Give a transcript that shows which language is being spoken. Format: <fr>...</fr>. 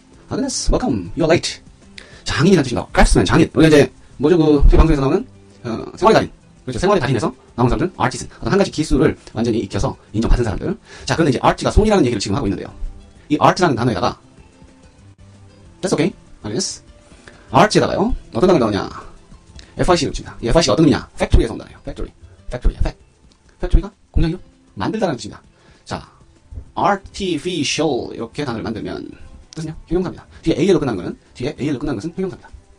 <en>Agnes, welcome. You are late.</en> <ko>장인이란 뜻인가? craftsman, 장인. 우리가 이제, 뭐죠, 그, 저희 방송에서 나오는, 생활의 달인. 그렇죠. 생활의 달인에서 나온 사람들, artisan. 어떤 한 가지 기술을 완전히 익혀서 인정받은 사람들. 자, 그런데 이제 art가 손이라는 얘기를 지금 하고 있는데요. 이 art라는 단어에다가,</ko> <en>that's okay, Agnes.</en> <ko>art에다가요, 어떤 단어가 나오냐? FIC를 붙입니다. 이 FIC가 어떤 의미냐? Factory에서 온다네요. Factory. Factory. Factory가 공장이요? 만들다라는 뜻입니다. 자, Artificial 이렇게 단어를 만들면 뜻은요? 형용사입니다. 뒤에 AL로 끝난 것은 뒤에 AL로 끝난 것은 형용사입니다.</ko>